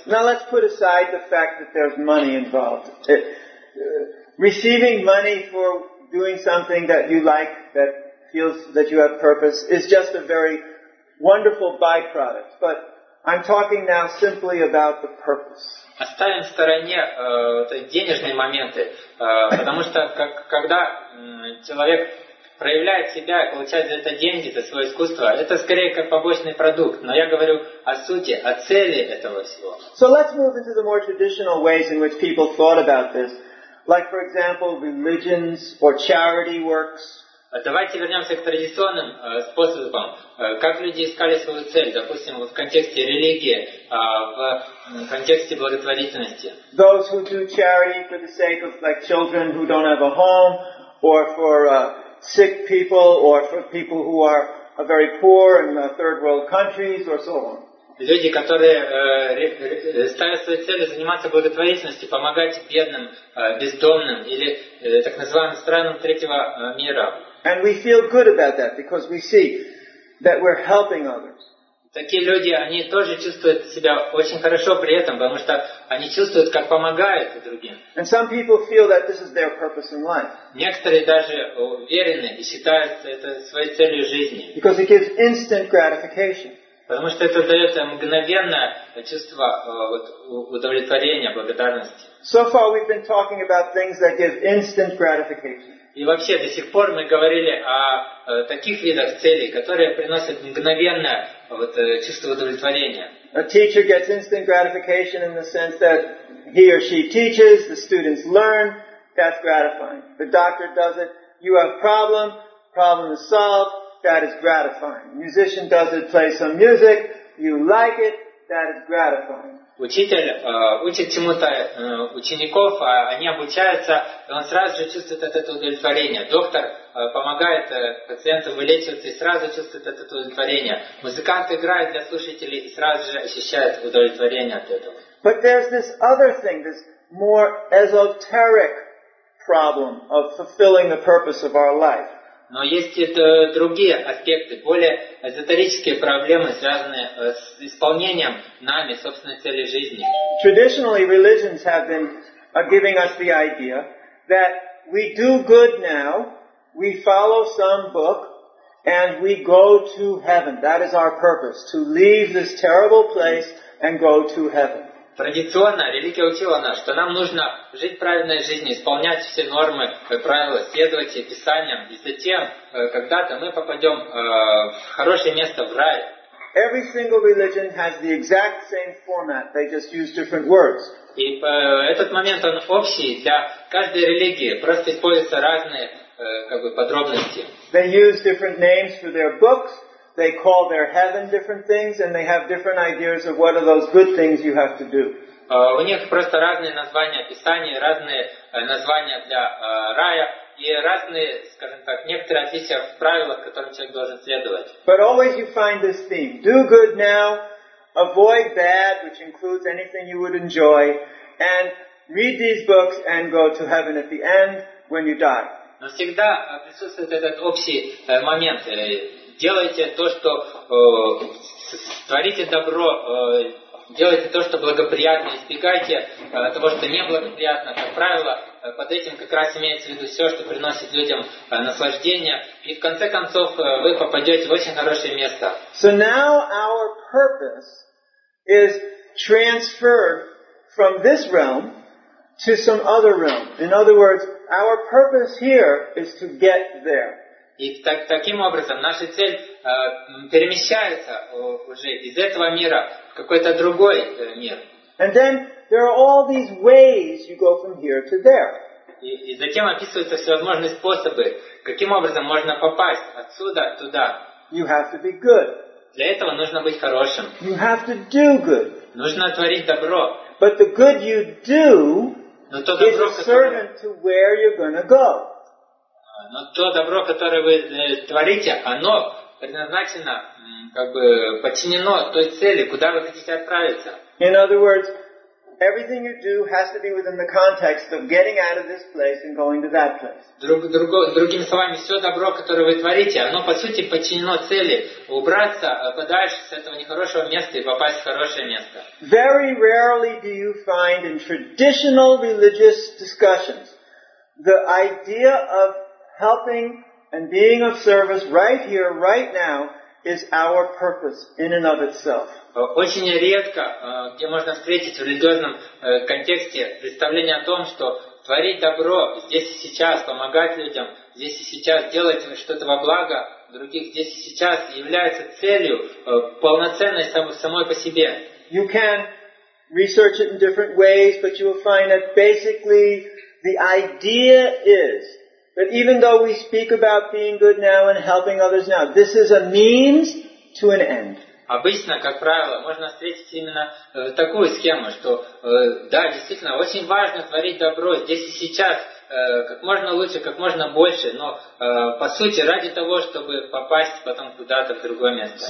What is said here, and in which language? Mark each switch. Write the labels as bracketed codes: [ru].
[en] Now let's put aside the fact that there's money involved. Receiving money for doing something that you like, that feels that you have purpose, is just a very wonderful byproduct. But I'm talking now simply about the purpose. [ru] Оставим в стороне денежные моменты, потому что когда человек проявляет себя, получает за это деньги, за свое искусство, это скорее как побочный продукт. Но я говорю о сути, о цели этого всего. [en] So let's move into the more traditional ways in which people thought about this. Like, for example, religions or charity works. [ru] Давайте вернемся к традиционным способам. Как люди искали свою цель, допустим, в контексте религии, в контексте благотворительности. [en] Those who do charity for the sake of, like, children who don't have a home, or for sick people, or for people who are very poor in third world countries, or so on. [ru] Люди, которые ставят свою цель заниматься благотворительностью, помогать бедным, бездомным или так называемым странам третьего мира. [en] And we feel good about that because we see that we're helping others. [ru] Такие люди, они тоже чувствуют себя очень хорошо при этом, потому что они чувствуют, как помогают другим. [en] And some people feel that this is their purpose in life. [ru] Некоторые даже уверены и считают это своей целью жизни. [en] Because it gives instant gratification. [ru] Потому что это дает мгновенное чувство удовлетворения, благодарности. [en] So far we've been talking about things that give instant gratification. [ru] И вообще, до сих пор мы говорили о таких видах целей, которые приносят мгновенное чувство удовлетворения. [en] A teacher gets instant gratification in the sense that he or she teaches, the students learn, that's gratifying. The doctor does it, you have a problem, problem is solved, that is gratifying. Musician does it, plays some music, you like it, that is gratifying. [ru] Учитель учит чему-то учеников, а они обучаются, и он сразу же чувствует от этого удовлетворение. Доктор помогает пациенту вылечиваться и сразу чувствует от этого удовлетворение. Музыкант играет для слушателей и сразу же ощущает удовлетворение от этого. [en] But there's this other thing, this more esoteric problem of fulfilling the purpose of our life. [ru] Но есть и другие аспекты, более эзотерические проблемы, связанные с исполнением нами собственной цели жизни. [en] Traditionally, religions have been giving us the idea that we do good now, we follow some book, and we go to heaven. That is our purpose, to leave this terrible place and go to heaven. [ru] Традиционно религия учила нас, что нам нужно жить правильной жизнью, исполнять все нормы, правила, следовать писаниям, и затем когда-то мы попадем в хорошее место, в рай. [en] Every single religion has the exact same format, they just use different words. [ru] И этот момент он общий для каждой религии, просто используются разные подробности. [en] They use different names for their books. They call their heaven different things, and they have different ideas of what are those good things you have to do. [ru] У них просто разные названия писаний, разные названия для рая и разные, скажем так, некоторые отличия в правилах, которым человек должен следовать. [en] But always you find this theme: do good now, avoid bad, which includes anything you would enjoy, and read these books and go to heaven at the end when you die. [ru] Но всегда присутствует этот общий момент. Делайте то, что творите добро, делайте то, что благоприятно, избегайте того, что неблагоприятно. Как правило, под этим как раз имеется в виду все, что приносит людям наслаждение. И в конце концов вы попадете в очень хорошее место. [en] So now our purpose is transferred from this realm to some other realm. In other words, our purpose here is to get there. [ru] И таким образом наша цель перемещается уже из этого мира в какой-то другой мир. [en] And then there are all these ways you go from here to there. [ru] И затем описываются всевозможные способы, каким образом можно попасть отсюда туда. [en] You have to be good. [ru] Для этого нужно быть хорошим. [en] You have to do good. [ru] Нужно творить добро. [en] But the good you do is a servant to where you're going to go. [ru] Но то добро, которое вы творите, оно предназначено, как бы подчинено той цели, куда вы хотите отправиться. [en] In other words, everything you do has to be within the context of getting out of this place and going to that place. [ru] Другими словами, все добро, которое вы творите, оно по сути подчинено цели убраться подальше с этого нехорошего места и попасть в хорошее место. [en] Very rarely do you find in traditional religious discussions the idea of helping and being of service right here, right now, is our purpose in and of itself. [ru] Очень редко, где можно встретить в религиозном контексте представление о том, что творить добро здесь и сейчас, помогать людям здесь и сейчас, делать что-то во благо других здесь и сейчас является целью полноценной самой по себе. [en] You can research it in different ways, but you will find that basically the idea is that even though we speak about being good now and helping others now, this is a means to an end. [ru] Обычно, как правило, можно встретить именно такую схему, что да, действительно, очень важно творить добро здесь и сейчас, как можно лучше, как можно больше, но по сути ради того, чтобы попасть потом куда-то в другое место.